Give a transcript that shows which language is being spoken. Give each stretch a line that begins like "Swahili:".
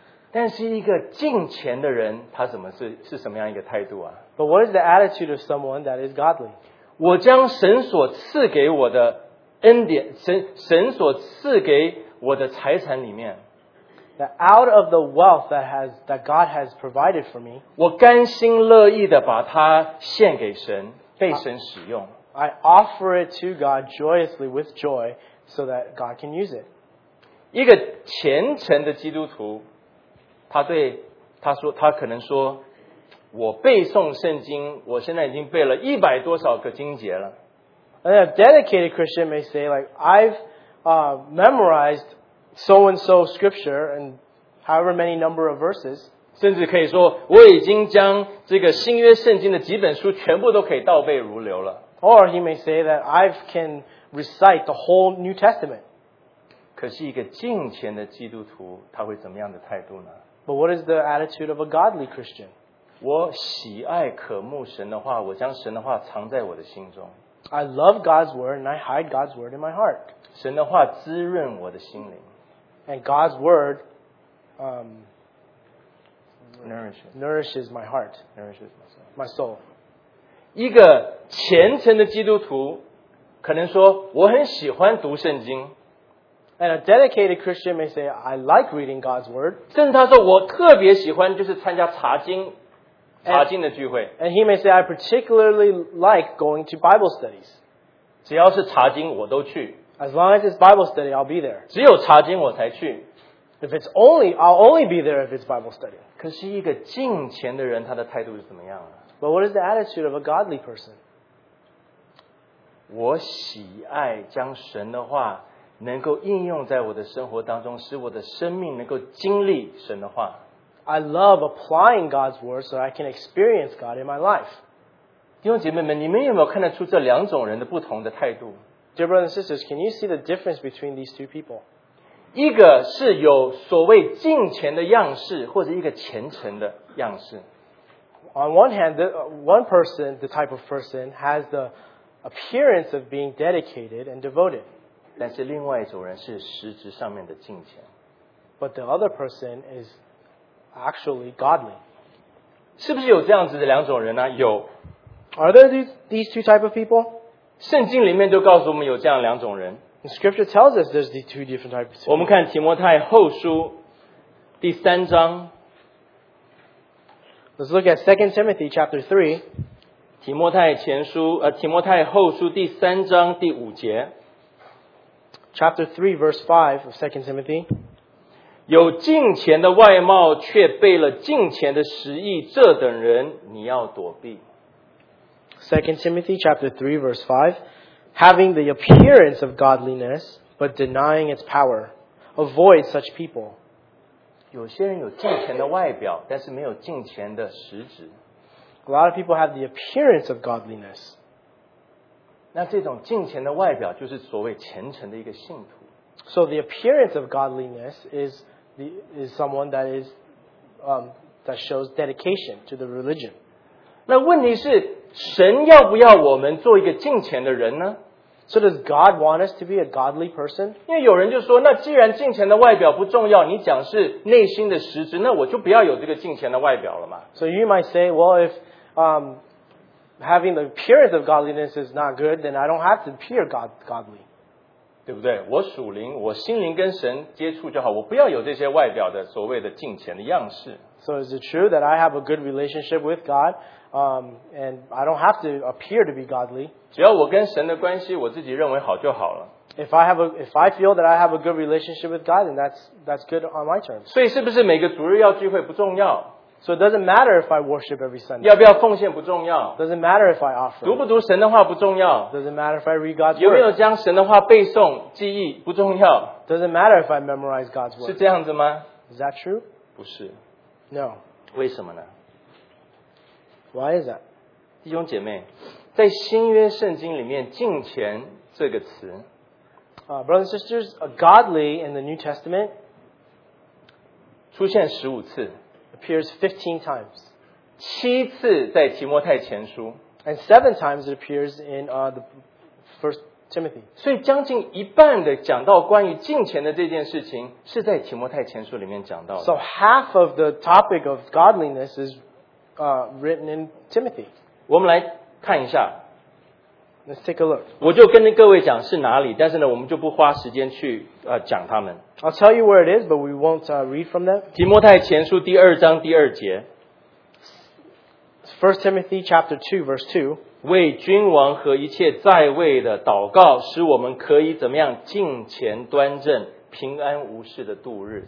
Chinese: 但是一个敬虔的人，他怎么是什么样一个态度啊？
English: But what is the attitude of someone that is godly?
Chinese: 我将神所赐给我的恩典，神所赐给我的财产里面。
English: That out of the wealth that God has provided for me,
Chinese: 我甘心乐意的把它献给神，被神使用。
English: I offer it to God joyously with joy so that God can use it.
Chinese: 一个虔诚的基督徒，他可能说，我背诵圣经，我现在已经背了一百多少个经节了。
English: And a dedicated Christian may say, like, I've memorized so-and-so scripture and however many number of verses.
Chinese: 甚至可以说我已经将这个新约圣经的几本书全部都可以倒背如流了。
English: Or he may say that I can recite the whole New Testament.
Chinese: 可是一个敬虔的基督徒他会怎么样的态度呢？
English: But what is the attitude of a godly Christian?
Chinese: 我喜爱渴慕神的话，我将神的话藏在我的心中。
English: I love God's word and I hide God's word in my heart.
Chinese: 神的话滋润我的心灵。
English: And God's word nourishes my heart. Nourishes my soul.
Chinese: 一个虔诚的基督徒可能说我很喜欢读圣经。
English: And a dedicated Christian may say, I like reading God's word.
Chinese: 甚至他说我特别喜欢就是参加查经。查经的聚会。
English: And he may say, I particularly like going to Bible studies.
Chinese: 只要是查经我都去。
English: As long as it's Bible study, I'll be there.
Chinese: 只有查经我才去。
English: If it's only, I'll only be there if it's Bible study.
Chinese: 可是一个敬虔的人他的态度是怎么样啊？
English: But what is the attitude of a godly person?
Chinese: 我喜爱将神的话能够应用在我的生活当中，使我的生命能够经历神的话。
English: I love applying God's word so I can experience God in my life.
Chinese: 弟兄姐妹们，你们有没有看得出这两种人的不同的态度？
English: Dear brothers and sisters, can you see the difference between these two people?
Chinese: 一个是有所谓敬虔的样式，或者一个虔诚的样式。
English: On one hand, the type of person has the appearance of being dedicated and devoted.
Chinese: 但是另外一种人是实质上面的敬虔。
English: But the other person is actually godly.
Chinese: 是不是有这样子的两种人呢？有。
English: Are there these two type of people?
Chinese: 圣经里面就告诉我们有这样两种人。
English: And scripture tells us there's these two different types of people.
Chinese: 我们看提摩太后书第三章。
English: Let's look at 2 Timothy chapter 3.
Chinese: 提摩太后书第三章第五节。
English: Chapter 3 verse 5 of 2 Timothy.
Chinese: 有敬虔的外貌却背了敬虔的实意，这等人你要躲避。
English: 2 Timothy chapter 3 verse 5, having the appearance of godliness but denying its power, avoid such people.
Chinese: 有些人有敬虔的外表，但是没有敬虔的实质。
English: A lot of people have the appearance of godliness.
Chinese: 那这种敬虔的外表就是所谓虔诚的一个信徒。
English: So the appearance of godliness is someone that is that shows dedication to the religion.
Chinese: 那问题是神要不要我们做一个敬虔的人呢？
English: So does God want us to be a godly person?
Chinese: 因为有人就说，那既然敬虔的外表不重要，你讲是内心的实质，那我就不要有这个敬虔的外表了嘛。
English: So you might say, well, if having the appearance of godliness is not good, then I don't have to appear godly.
Chinese: 对不对？我属灵，我心灵跟神接触就好，我不要有这些外表的所谓的敬虔的样式。
English: So is it true that I have a good relationship with God, and I don't have to appear to be godly?
Chinese: 只要我跟神的关系，我自己认为好就好了。
English: If I feel that I have a good relationship with God, then that's good on my terms.
Chinese: 所以是不是每个主日要聚会不重要？
English: So it doesn't matter if I worship every Sunday.
Chinese: 要不要奉献不重要。
English: Doesn't matter if I offer.
Chinese: 读不读神的话不重要。
English: Doesn't matter if I read God's word.
Chinese: 有没有将神的话背诵记忆不重要。
English: Doesn't matter if I memorize God's word.
Chinese: 是这样子吗？
English: Is that true?
Chinese: 不是。
English: No.
Chinese: 为什么呢？
English: Why is that?
Chinese: 弟兄姐妹，在新约圣经里面，敬虔这个词。
English: Brothers and sisters, godly in the New Testament
Chinese: 出现15次。
English: Appears 15 times.
Chinese: 七次在提摩太前书。
English: And 7 times it appears in the 1 Timothy.
Chinese: 所以将近一半的讲到关于敬虔的这件事情是在提摩太前书里面讲到的。
English: So half of the topic of godliness is written in Timothy.
Chinese: 我们来看一下。
English: Let's take a look.
Chinese: 我就跟各位讲是哪里，但是呢，我们就不花时间去讲他们。
English: I'll tell you where it is, but we won't read from them.
Chinese: 提摩太前书第二章第二节。
English: First Timothy chapter 2 verse 2.
Chinese: 为君王和一切在位的祷告，使我们可以怎么样敬虔端正，平安无事的度日。